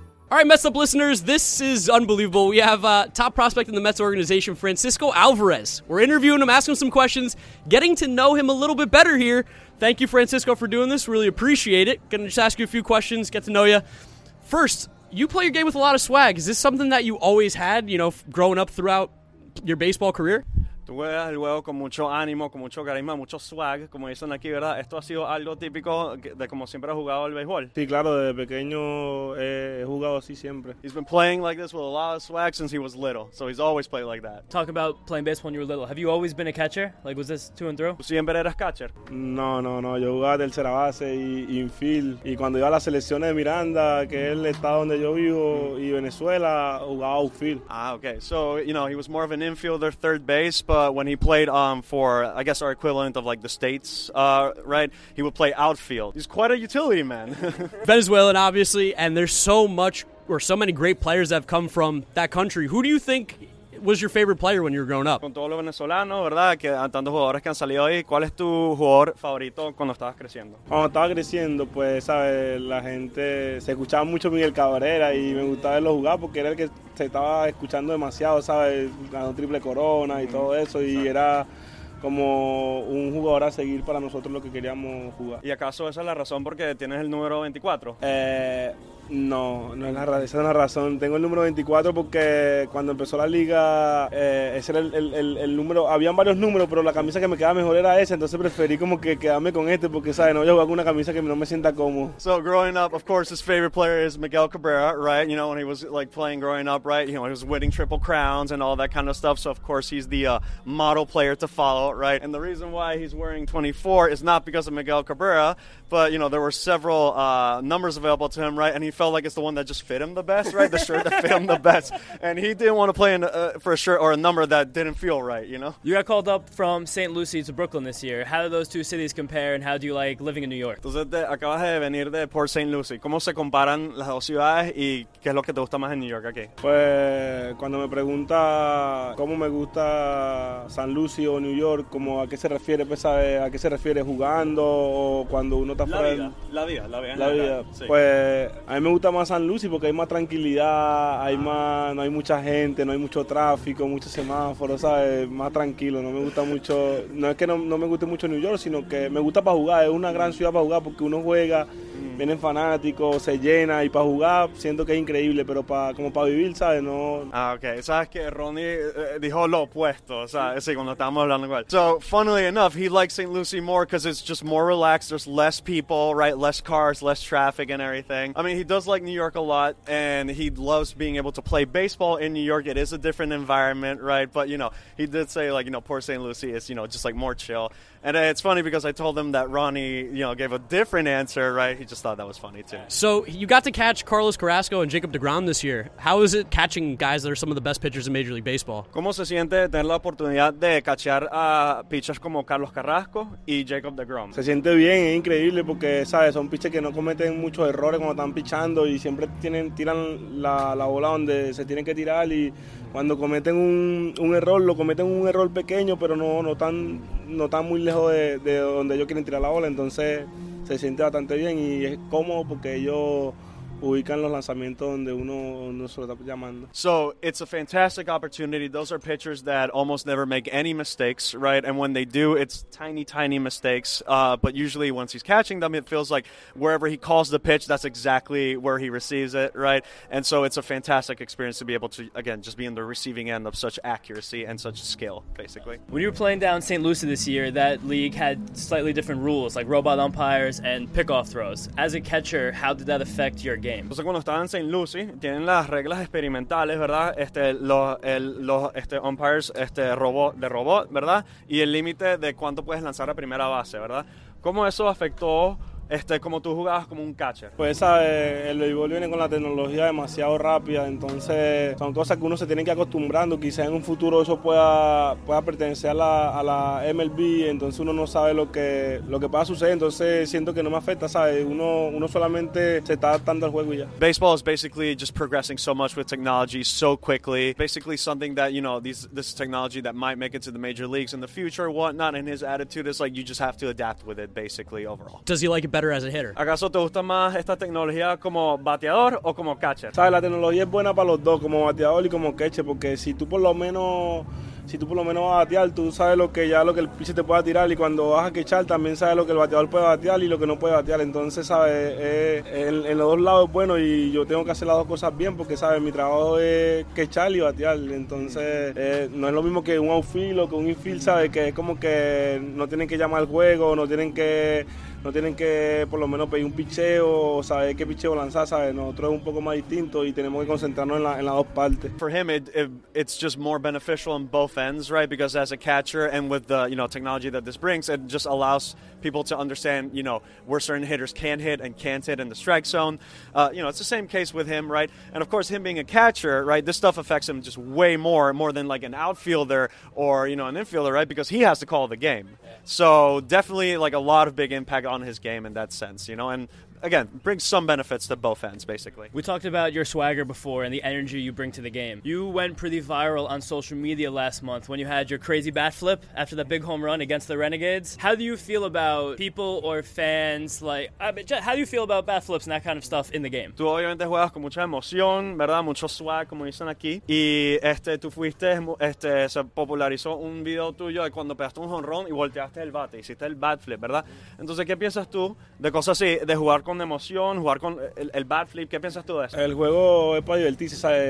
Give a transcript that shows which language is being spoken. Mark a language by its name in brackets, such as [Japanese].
[English] All right, Mets Up listeners, this is unbelievable. We have a top prospect in the Mets organization, Francisco Alvarez. We're interviewing him, asking him some questions, getting to know him a little bit better here. Thank you, Francisco, for doing this. Really appreciate it. Gonna just ask you a few questions, get to know you. First, you play your game with a lot of swag. Is this something that you always had, you know, growing up throughout your baseball career? [Spanish] Luego, con mucho ánimo, con mucho carisma, mucho swag, como dicen aquí, ¿verdad? Esto ha sido algo típico de como siempre ha jugado el béisbol. Sí, claro, desde pequeño he jugado así siempre. [English] He's been playing like this with a lot of swag since he was little, so he's always played like that. Talk about playing baseball when you were little. Have you always been a catcher? Like, was this to and through? [Spanish] ¿Siempre eras catcher? No. Yo jugaba tercera base y infield. Y cuando iba a la selección de Miranda, que es el estado donde yo vivo, y Venezuela, jugaba outfield. [English] Ah, okay. So, you know, he was more of an infielder, third base, but when he played for, I guess, our equivalent of, like, the States, right, he would play outfield. He's quite a utility man. Venezuelan, obviously, and there's so many great players that have come from that country. Who do you think was your favorite player when you were growing up? [Spanish] Con todos los venezolanos, ¿verdad? Que tantos jugadores que han salido ahí, ¿cuál es tu jugador favorito cuando estabas creciendo? Cuando estaba creciendo, pues, ¿sabes? La gente, se escuchaba mucho Miguel Cabrera y me gustaba verlo jugar porque era el que se estaba escuchando demasiado, ¿sabes? Ganó triple corona y todo eso y era como un jugador a seguir para nosotros lo que queríamos jugar. ¿Y acaso esa es la razón porque tienes el número 24? No es la razón, esa es la razón. Tengo el número 24 porque cuando empezó la liga, ese era el número. Habían varios números, pero la camisa que me quedaba mejor era esa, entonces preferí como que quedarme con este porque, ¿sabes? No voy a jugar con una camisa que no me sienta cómodo. [English] So, growing up, of course, his favorite player is Miguel Cabrera, right? You know, when he was, like, playing growing up, right? You know, he was winning triple crowns and all that kind of stuff. So, of course, he's the model player to follow, right? And the reason why he's wearing 24 is not because of Miguel Cabrera, but, you know, there were several numbers available to him, right? And he felt like it's the one that just fit him the best, right? The shirt that fit him the best. And he didn't want to play in for a shirt or a number that didn't feel right, you know? You got called up from St. Lucie to Brooklyn this year. How do those two cities compare, and how do you like living in New York? [Spanish] Entonces, acabas de venir de Port St. Lucie. ¿Cómo se comparan las dos ciudades y qué es lo que te gusta más en New York aquí? Pues, cuando me pregunta cómo me gusta St. Lucie o New York, como a qué se refiere, pues, a qué se refiere jugando o cuando uno está fuera. La vida. Sí. Pues a mí me gusta más San Luis porque hay más tranquilidad, hay más, no hay mucha gente, no hay mucho tráfico, muchos semáforos, ¿sabes? Más tranquilo, no me gusta mucho, no es que no me guste mucho New York, sino que me gusta para jugar, es una gran ciudad para jugar porque uno juega, vienen fanáticos, se llena y para jugar siento que es increíble, pero para, como para vivir, ¿sabes? No. Ah, ok, sabes que Ronnie dijo lo opuesto, o sea, sí, cuando estábamos hablando con él. [English] So, funnily enough, he likes St. Lucie more because it's just more relaxed, there's less people, right, less cars, less traffic and everything. I mean, he does like New York a lot and he loves being able to play baseball in New York. It is a different environment, right? But, you know, he did say, like, you know, Port St. Lucie is, you know, just like more chill. And it's funny because I told him that Ronnie, you know, gave a different answer, right? He just thought that was funny too. So you got to catch Carlos Carrasco and Jacob DeGrom this year. How is it catching guys that are some of the best pitchers in Major League Baseball? [Spanish] ¿Cómo se siente tener la oportunidad de cachar a pitchers como Carlos Carrasco y Jacob DeGrom? Se siente bien, es increíble porque, ¿sabes? Son pitchers que no cometen muchos errores cuando están pitchando y siempre tiran la bola donde se tienen que tirar y cuando cometen un error, lo cometen un error pequeño, pero no tan muy lejos de donde ellos quieren tirar la bola, entonces se siente bastante bien y es cómodo porque ellos ubican los lanzamientos donde uno se lo está llamando. [English] So, it's a fantastic opportunity. Those are pitchers that almost never make any mistakes, right? And when they do, it's tiny, tiny mistakes. But usually, once he's catching them, it feels like wherever he calls the pitch, that's exactly where he receives it, right? And so, it's a fantastic experience to be able to, again, just be in the receiving end of such accuracy and such skill, basically. When you were playing down St. Lucie this year, that league had slightly different rules, like robot umpires and pickoff throws. As a catcher, how did that affect your game? [Spanish] Entonces, cuando estaba en St. Lucie, tienen las reglas experimentales, ¿verdad? Los umpires robot, ¿verdad? Y el límite de cuánto puedes lanzar a primera base, ¿verdad? ¿Cómo eso afectó como tú jugabas como un catcher? Pues, ¿sabes? El béisbol viene con la tecnología demasiado rápida, entonces son cosas que uno se tiene que acostumbrando. Quizás en un futuro eso pueda pertenecer a la MLB, entonces uno no sabe lo que pueda suceder, entonces siento que no me afecta, ¿sabes? Uno solamente se está adaptando al juego y ya. [English] Baseball is basically just progressing so much with technology so quickly. Basically something that, you know, this is technology that might make it to the major leagues in the future, whatnot, and his attitude is like, you just have to adapt with it, basically, overall. Does he like it better as a hitter? [Spanish] ¿Acaso te gusta más esta tecnología como bateador o como catcher? Sabes, la tecnología es buena para los dos, como bateador y como catcher, porque si tú por lo menos vas a batear, tú sabes lo que el pitcher te puede tirar y cuando vas a catchar también sabes lo que el bateador puede batear y lo que no puede batear. Entonces, sabes, en los dos lados es bueno y yo tengo que hacer las dos cosas bien porque, sabes, mi trabajo es catchar y batear. Entonces, no es lo mismo que un outfield o que un infield, sabes, que es como que no tienen que llamar al juego, no tienen que por lo menos pedir un picheo o saber qué picheo lanzar, ¿sabes? Nosotros es un poco más distinto y tenemos que concentrarnos en las dos partes. [English] For him, it's just more beneficial in both ends, right? Because as a catcher and with the, you know, technology that this brings, it just allows people to understand, you know, where certain hitters can hit and can't hit in the strike zone. You know, it's the same case with him, right? And of course, him being a catcher, right, this stuff affects him just way more than like an outfielder or, you know, an infielder, right? Because he has to call the game. So definitely like a lot of big impact on his game in that sense, you know, and again, brings some benefits to both ends, basically. We talked about your swagger before and the energy you bring to the game. You went pretty viral on social media last month when you had your crazy bat flip after that big home run against the Renegades. How do you feel about people or fans, like, how do you feel about bat flips and that kind of stuff in the game? [Spanish] Tú obviamente juegas con mucha emoción, ¿verdad? Mucho swag, como dicen aquí. Y tú fuiste, se popularizó un video tuyo de cuando pegaste un home run y volteaste el bate, hiciste el bat flip, ¿verdad? Entonces, ¿qué piensas tú de cosas así, de jugar con emoción, jugar con el bat flip? ¿Qué piensas tú de eso? El juego es para divertirse, ¿sabes?